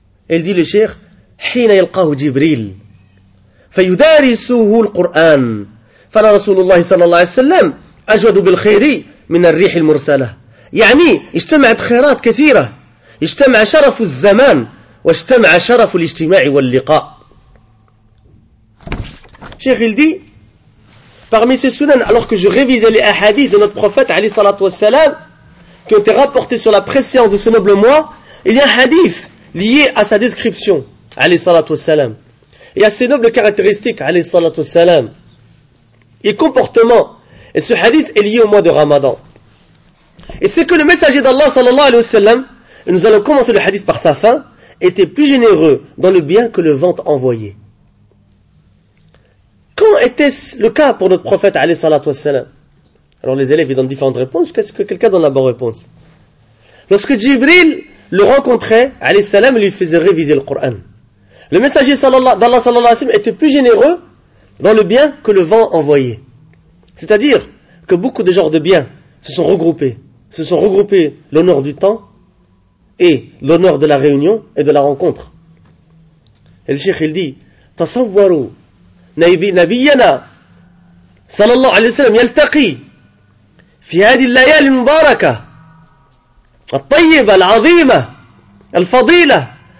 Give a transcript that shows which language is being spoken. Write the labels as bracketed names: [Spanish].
[French] Il dit le cheikh, [Arabic] « حين يلقاه جبريل فيدارسه القرآن فلا رسول الله صلى الله عليه وسلم أجود بالخير من الريح المرسلة. » يعني, اجتمعت خيرات كثيرة. اجتمع شرف الزمان واجتمع شرف الاجتماع واللقاء. [French] Cheikh, il dit... Parmi ces sunan, alors que je révisais les hadiths de notre prophète, alayhi salatu wassalam, qui ont été rapportés sur la préscience de ce noble mois, il y a un hadith lié à sa description, alayhi salatu wassalam, et à ses nobles caractéristiques, alayhi salatu wassalam, et comportements. Et ce hadith est lié au mois de Ramadan. Et c'est que le messager d'Allah, sallallahu alayhi wasallam, et nous allons commencer le hadith par sa fin, était plus généreux dans le bien que le vent envoyé. Quand était-ce le cas pour notre prophète alayhi salatu wassalam? Alors les élèves ils donnent différentes réponses, jusqu'à ce que quelqu'un donne la bonne réponse. Lorsque Jibril le rencontrait, alayhi salam, lui faisait réviser le Coran. Le messager d'Allah sallallahu alayhi wa sallam était plus généreux dans le bien que le vent envoyé. C'est-à-dire que beaucoup de genres de biens se sont regroupés l'honneur du temps et l'honneur de la réunion et de la rencontre. Et le cheikh il dit, [Arabic] tasawwaru نبينا صلى الله عليه وسلم يلتقي في هذه الليالي المباركة الطيبة العظيمة الفضيلة